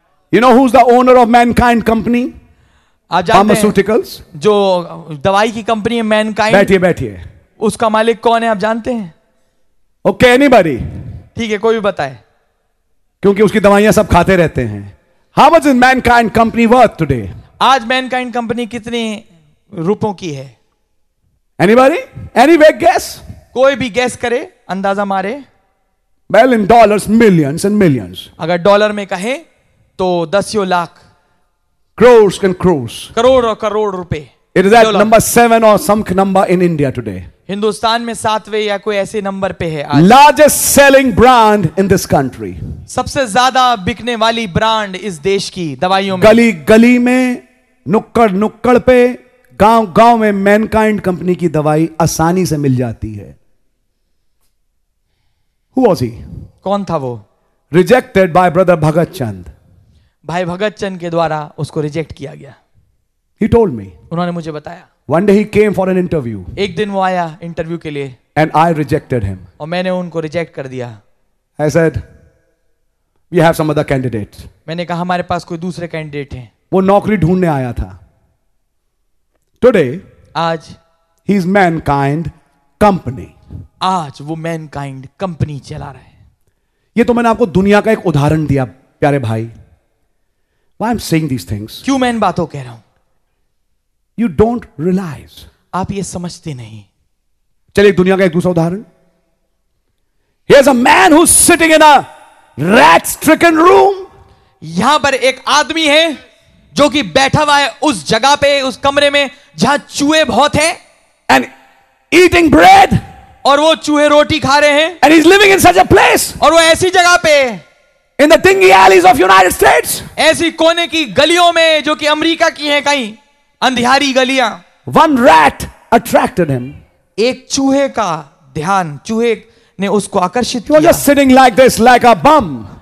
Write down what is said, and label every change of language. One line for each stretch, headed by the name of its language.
English: You know who's the owner of Mankind Company? Pharmaceuticals?
Hindi: जो दवाई की कंपनी है Mankind. बैठिए बैठिए. उसका मालिक कौन है आप जानते हैं?
English: Okay, anybody?
Hindi: ठीक है कोई भी बताए. क्योंकि उसकी दवाइयां सब खाते रहते हैं.
English: How much is Mankind Company worth today?
Hindi: आज Mankind Company कितनी रुपयों की है?
English: Anybody? Any big guess?
Hindi: कोई भी guess करे, अंदाजा मारे.
English: Well, in dollars, millions and millions.
Hindi: अगर डॉलर में कहे तो दसियों lakh.
English: Crores and crores.
Hindi: Crore और करोड़ रुपए.
English: It is at number 7 or some number in India today.
Hindi: Hindustan में सातवें या कोई ऐसे नंबर पे है.
English: Largest selling brand in this country.
Hindi: सबसे ज्यादा बिकने वाली ब्रांड इस देश की दवाइयों में. गली गली में, नुक्कड़ नुक्कड़ पे, गांव गांव में Mankind कंपनी की दवाई आसानी से मिल जाती है.
English: Who was he?
Hindi: कौन था वो?
English: Rejected by brother Bhagat Chand.
Hindi: भाई भगत चंद के द्वारा उसको रिजेक्ट किया गया.
English: He told me.
Hindi: उन्होंने मुझे बताया.
English: One day he came for an interview.
Hindi: एक दिन वो आया इंटरव्यू के लिए.
English: And I rejected him.
Hindi: और मैंने उनको रिजेक्ट कर दिया.
English: I said, we have some other candidates.
Hindi: मैंने कहा हमारे पास कोई दूसरे कैंडिडेट हैं. वो नौकरी ढूंढने आया था. Today, आज
English: he is Mankind Company.
Hindi: आज वो Mankind कंपनी चला रहे. ये तो मैंने आपको दुनिया का एक उदाहरण दिया प्यारे भाई.
English: Why I'm saying these things?
Hindi: क्यों मैं इन बातों कह रहा हूं?
English: You don't realize.
Hindi: आप ये समझते नहीं. चलिए दुनिया का एक दूसरा उदाहरण.
English: Here's a man who's sitting in a rat-stricken room.
Hindi: यहां पर एक आदमी है जो कि बैठा हुआ है उस जगह पे, उस कमरे में जहां चूहे बहुत हैं.
English: And eating bread.
Hindi: और वो चूहे रोटी खा रहे हैं.
English: And he's living in such a place.
Hindi: और वो ऐसी जगह पे.
English: In the dingy alleys of United States.
Hindi: ऐसी कोने की गलियों में जो कि अमेरिका की हैं कहीं अंधियारी गलियां.
English: One rat attracted him.
Hindi: एक चूहे का ध्यान, चूहे ने उसको आकर्षित किया.
English: He was sitting like this, like a bum.